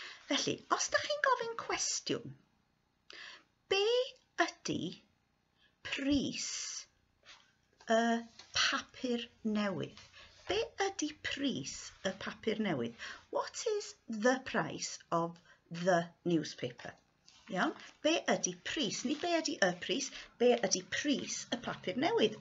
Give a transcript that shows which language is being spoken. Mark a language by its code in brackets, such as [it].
[cy] Felly, os ydych chi'n gofyn cwestiwn, be ydy pris y papur newydd? Be ydy pris y papur newydd? [en] What is the price of the newspaper? [cy] Iawn. Be ydy pris? Ni be ydy y pris? Be ydy pris y papur newydd?